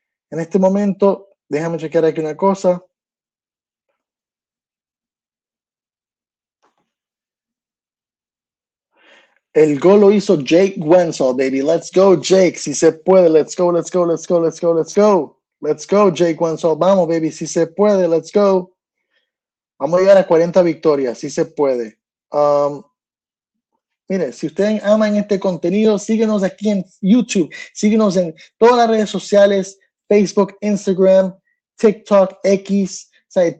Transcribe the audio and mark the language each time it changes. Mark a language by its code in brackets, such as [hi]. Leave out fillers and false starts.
[es] En este momento, déjame chequear aquí una cosa. El gol lo hizo Jake Guentzel, baby. [en] Let's go, Jake. [es] Si se puede, [en] let's go, let's go, let's go, let's go, let's go. Let's go, Jake Guentzel. [es] Vamos, [en] baby. [es] Si se puede, [en] let's go. [es] Vamos a llegar a 40 victorias, si se puede. Mire, si ustedes aman este contenido, síguenos aquí en YouTube, síguenos en todas las redes sociales, Facebook, Instagram, TikTok, X, ¿sabes?